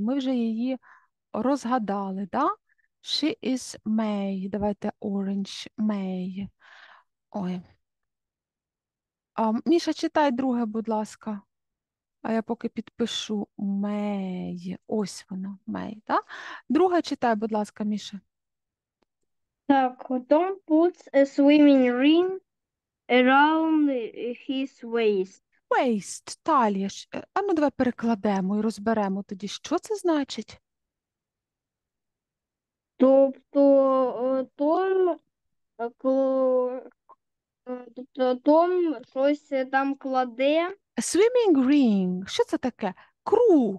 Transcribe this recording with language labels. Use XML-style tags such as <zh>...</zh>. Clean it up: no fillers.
<uk>Ми вже її розгадали, да?</uk> <en>She is May.</en> <uk>Давайте orange May. Ой. Міша, читай друге, будь ласка. А я поки підпишу May. Ось вона, May, да? Друге читай, будь ласка, Міша.</uk> <en>Так, don't put a swimming ring around his waist.</en> <uk>Waist, талія. А ну давай перекладемо і розберемо тоді, що це значить? Тобто, то Дом щось там кладе. Swimming ring. Що це таке? Круг.</uk>